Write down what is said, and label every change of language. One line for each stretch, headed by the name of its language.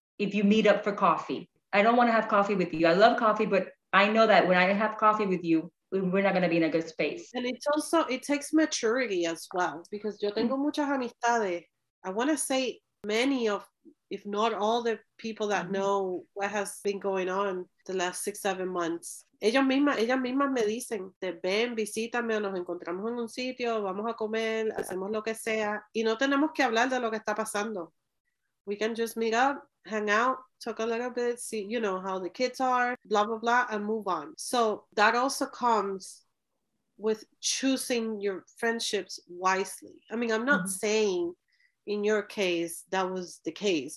English: If you meet up for coffee, I don't want to have coffee with you. I love coffee, but I know that when I have coffee with you, we're not going to be in a good space. And it's also, it takes maturity as well, because
Spanish: yo tengo muchas amistades.
English: I want to say many of if not all the people that know what has been going on the last 6-7 months.
Spanish: Ellas mismas me dicen, ven, visítame, nos encontramos en un sitio, vamos a comer, hacemos lo que sea, y no tenemos que hablar de lo que está pasando.
English: We can just meet up, hang out, talk a little bit, see, you know, how the kids are, blah, blah, blah, and move on. So that also comes with choosing your friendships wisely. I mean, I'm not saying in your case that was the case.